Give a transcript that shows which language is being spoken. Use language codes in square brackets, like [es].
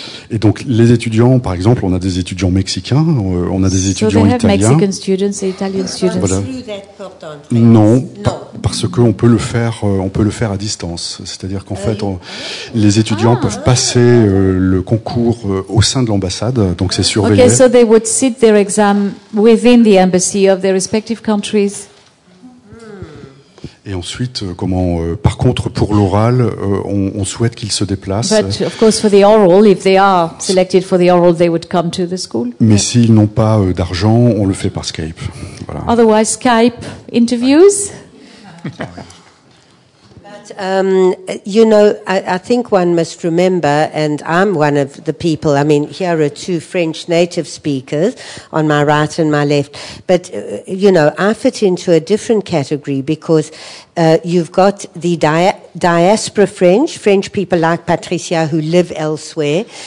[fr] Et donc les étudiants, par exemple, on a des étudiants mexicains, on a des étudiants italiens. [en] Mexican students et Italian students. [fr] Voilà. Non, parce qu'on peut le faire, à distance. C'est-à-dire qu'en fait, les étudiants peuvent passer le concours au sein de l'ambassade, donc c'est surveillé. [en] Okay, so they would sit their exam within the embassy of their respective countries. [fr] Et ensuite, par contre, pour l'oral, on souhaite qu'ils se déplacent. [en] But of course, for the oral, if they are selected for the oral, they would come to the school. [fr] Mais s'ils n'ont pas d'argent, on le fait par Skype. Voilà. [en] Otherwise, Skype interviews. I think one must remember, and I'm one of the people, I mean, here are two French native speakers on my right and my left, but, I fit into a different category because you've got the diaspora French, French people like Patricia who live elsewhere.